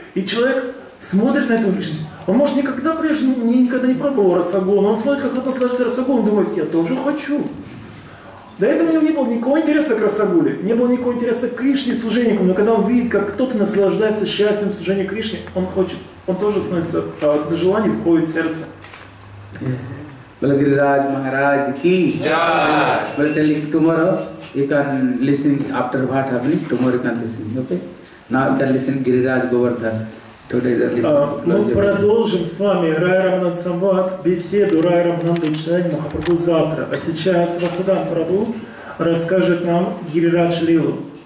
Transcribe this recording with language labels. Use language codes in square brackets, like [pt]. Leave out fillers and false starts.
[ru] И человек смотрит на эту личность. Он может никогда прежде никогда не пробовал расагулу, но он смотрит, как кто-то наслаждается расагулой, он думает, я тоже хочу. До этого у него не было никакого интереса к расагуле, не было никакого интереса к Кришне и служению, но когда он видит, как кто-то наслаждается счастьем служения Кришне, он хочет, он тоже становится, это желание входит в сердце. Благодарю Раджа Махараджа ки. Джай. [en] Will tell you tomorrow, you can listen after what happening, tomorrow you can listen, okay? Now you can listen Гирирадж Говардхан. [ru] Мы продолжим с вами Рай Рамананда Самвад, беседу Рай Рамананда и читание Махапрабху завтра. А сейчас Васудан Прабху расскажет нам Гирирадж Лилу.